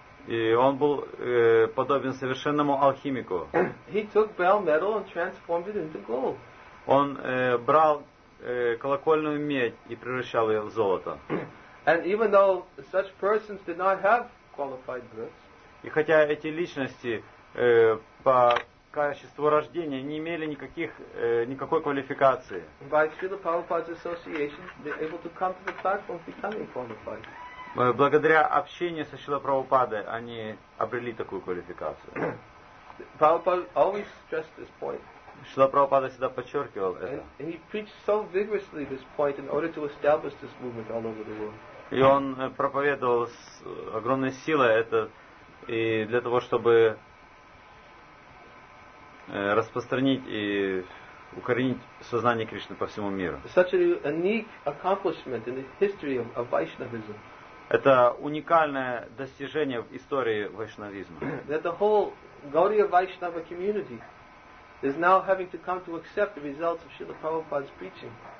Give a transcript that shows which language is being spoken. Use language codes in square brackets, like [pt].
[ru] И он был подобен совершенному алхимику. [en] He took bell metal and transformed it into gold. [ru] Он брал колокольную медь и превращал ее в золото. [en] And even though such persons did not have qualified births. [ru] И хотя эти личности по качеству рождения не имели никакой квалификации. [en] By Srila Prabhupada's association, they're able to come to the platform becoming qualified. [ru] благодаря общению со Шрилой Прабхупадой они обрели такую квалификацию. [en] Prabhupada always stressed this point. [ru] Шрила Прабхупада всегда подчеркивал это. [en] And he preached so vigorously this point in order to establish this movement all over the world. [ru] И он проповедовал с огромной силой это и для того, чтобы распространить и укоренить сознание Кришны по всему миру. [en] Such a unique accomplishment in the history of Vaishnavism. [ru] Это уникальное достижение в истории вайшнавизма. [en] That the whole Gaudiya Vaishnava community is now having to come to accept the results of Srila Prabhupada's preaching.